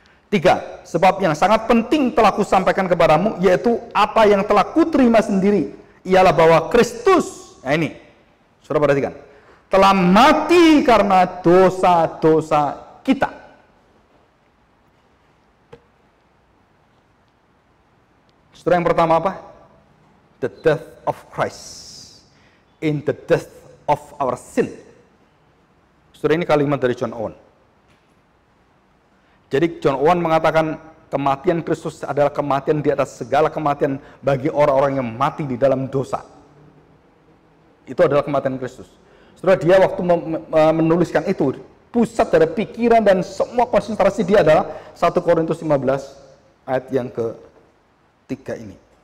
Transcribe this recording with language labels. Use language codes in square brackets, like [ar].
[id] 3, sebab yang sangat penting telah ku sampaikan kepadamu, yaitu apa yang telah ku terima sendiri, ialah bahwa Kristus, nah ini, sudah perhatikan, telah mati karena dosa-dosa kita. Setelah yang pertama apa? [en] The death of Christ in the death of our sin. [id] Setelah ini kalimat dari John Owen. Jadi John Owen mengatakan kematian Kristus adalah kematian di atas segala kematian bagi orang-orang yang mati di dalam dosa. Itu adalah kematian Kristus. Setelah dia waktu menuliskan itu, pusat dari pikiran dan semua konsentrasi dia adalah 1 Korintus 15 ayat yang ke-3 ini.